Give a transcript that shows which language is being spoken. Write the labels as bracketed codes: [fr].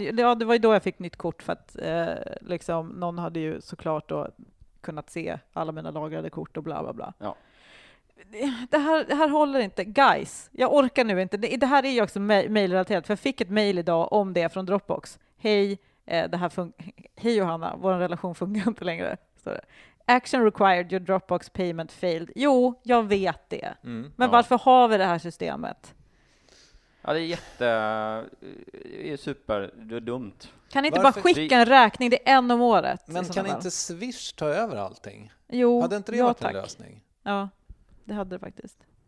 [sv] Ja, det var ju då jag fick nytt kort, för att liksom, någon hade ju såklart då kunnat se alla mina lagrade kort och bla bla bla. Ja. Det här håller inte. Guys, jag orkar nu inte. Det här är ju också mejlrelaterat. För jag fick ett mejl idag om det från Dropbox. Hej, det här hej Johanna, vår relation fungerar inte längre. [en] Sorry. Action required, your Dropbox payment failed. [sv] Jo, jag vet det. Mm, men varför har vi det här systemet? Ja, det är jätte... Det är super... Det är dumt. Kan ni inte varför? Bara skicka en räkning? Det är en om året. Men kan inte Swish ta över allting? Jo, hade inte det varit en lösning? Ja. Det hade det faktiskt.